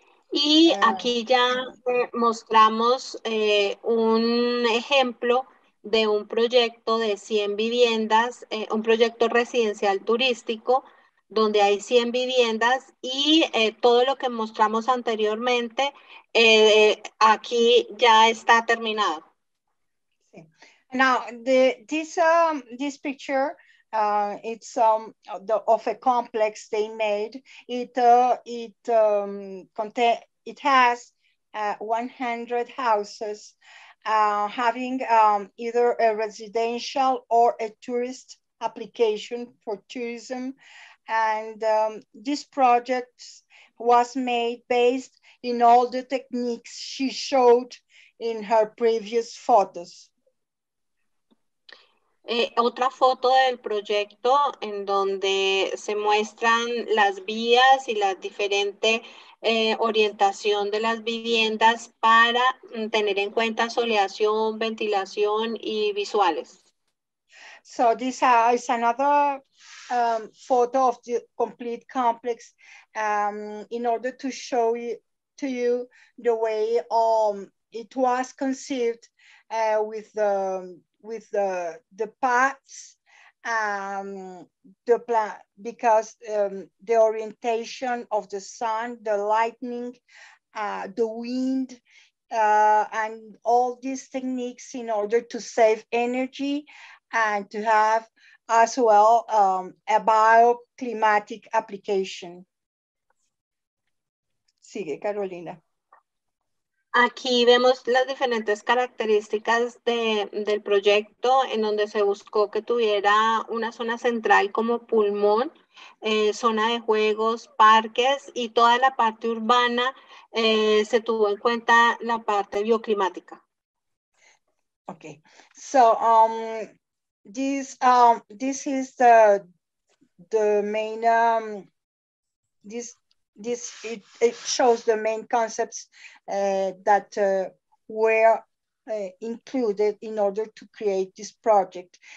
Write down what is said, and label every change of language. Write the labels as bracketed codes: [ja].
[es] Y aquí ya mostramos un ejemplo de un proyecto de 100 viviendas, un proyecto residencial turístico, donde hay 100 viviendas y todo lo que mostramos anteriormente, aquí ya está terminado. [en] Now, this picture, it's of a complex they made. It has 100 houses having either a residential or a tourist application for tourism. And this project was made based in all the techniques she showed in her previous photos. [es] Otra foto del proyecto en donde se muestran las vías y la diferente orientación de las viviendas para tener en cuenta soleación, ventilación y visuales. [en] So this is another photo of the complete complex in order to show to you the way it was conceived with the paths, the plan, because the orientation of the sun, the lightning, the wind, and all these techniques in order to save energy and to have as well a bioclimatic application. [es] Sigue, Carolina. Aquí vemos las diferentes características del proyecto en donde se buscó que tuviera una zona central como pulmón, zona de juegos, parques y toda la parte urbana se tuvo en cuenta la parte bioclimática. [en] Okay, so this is the main it shows the main concepts that were included in order to create this project.